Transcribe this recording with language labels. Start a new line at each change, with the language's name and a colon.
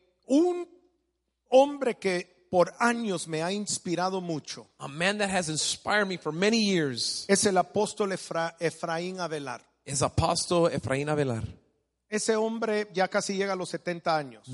Spanish: Un hombre que por años me ha inspirado mucho.
English: A man that has inspired me for many years.
Spanish: Es el apóstol Efraín Avelar.
English: Is Apostle Efraín Avelar.
Spanish: Ese hombre ya casi llega a los 70 años.